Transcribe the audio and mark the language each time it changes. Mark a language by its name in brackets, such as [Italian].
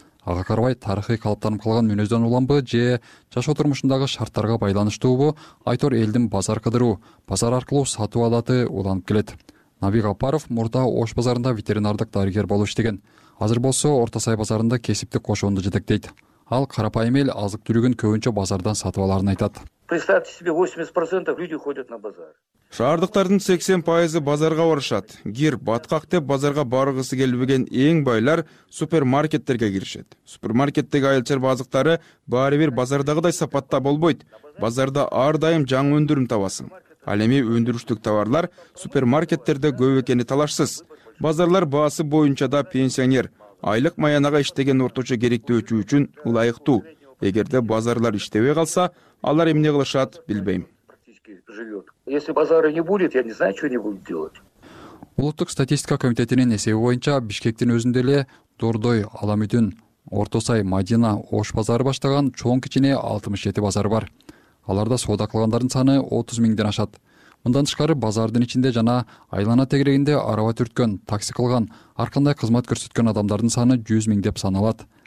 [Kyrgyz] Ага карабай тарыхый калыптанып калган мүнөздөн уламбы же жашоо турмушундагы шарттарга байланыштуубу, айтор элдин базар кыдыруу, базар аркылуу сатуу адаты уланып келет. Наби Гапаров мурда Ош базарында ветеринардык дарыгер болуп иштеген. Азыр болсо Орто Сай базарында кесиптик кошоонду жетектейт. Ал карапайым эл азык түлүгүн көбүнчө базардан сатып аларын айтат. [Russian] Представьте себе, 80% люди ходят на базар. [Kyrgyz] Шаардыктардын 80% базарга барышат. Кир, баткак деп базарга баргысы келбеген эң байлар супермаркеттерге киришет. Супермаркеттеги айылчарба азыктары баары бир базардагыдай сапатта болбойт. Базарда ар дайым жаңы өндүрүм табасың. Ал эми өндүрүштүк товарлар супермаркеттерде көп экени талашсыз. Базарлар баасы боюнча да пенсионер, айлык маянага иштеген орточо керектөөчү үчүн ылайыктуу. Эгерде базарлар иштебей калса, алар эмне кылышат билбейм. [Russian] Если базара не будет, я не знаю, что они будут делать. [Kyrgyz] Улуттук статистика комитетинин эсеби боюнча Бишкектин өзүндө эле Дордой, Аламүдүн, Орто Сай, Мадина, Ош базары баштаган чоң кичине 67 базар бар. Аларда соода кылгандардын саны 30 000 ашат. Мындан тышкары базардын ичинде жана айлана тегерегинде араба түрткөн, такси кылган, ар кандай кызмат көрсөткөн адамдардын саны 100 000 деп саналат.